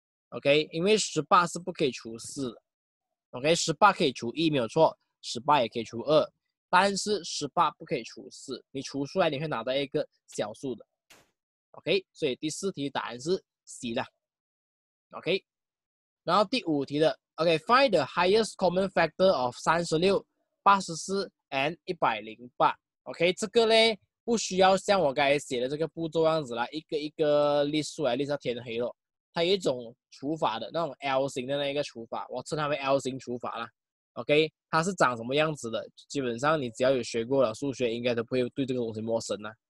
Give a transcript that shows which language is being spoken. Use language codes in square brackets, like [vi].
[zh] OK， 因为18是不可以除4的。OK， 18可以除1没有错， 18也可以除2，但是18不可以除4，你除出来你会拿到一个小数的。 OK， 所以第四题答案是 C 了。 OK。然后第五题的 [en] OK， find the highest common factor of 36 84 and 108。 [zh] OK， 这个呢不需要像我刚才写的这个步骤样子啦，一个一个列出来列到天黑了，它有一种除法的那种 L 型的那个除法，我称它为 L 型除法啦。 OK， 它是长什么样子的，基本上你只要有学过了数学应该都不会对这个东西陌生啦。